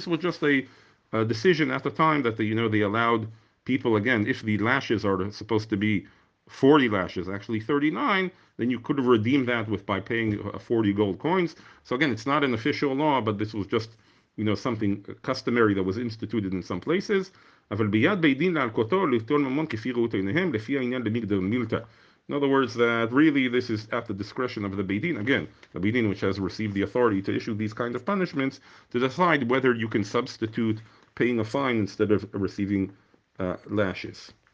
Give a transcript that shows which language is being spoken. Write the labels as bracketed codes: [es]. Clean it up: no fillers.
[en] This was just a decision at the time that they allowed people, again, if the lashes are supposed to be 40 lashes, actually 39, then you could redeem that with by paying 40 gold coins. So again, it's not an official law, but this was just something customary that was instituted in some places. [he] אבל ביד בית דין להלקותו לפתור ממון כפי ראות עיניהם לפי העניין במגדר מילתא. [en] In other words, that really this is at the discretion of the Beit Din, again, the Beit Din which has received the authority to issue these kind of punishments, to decide whether you can substitute paying a fine instead of receiving lashes.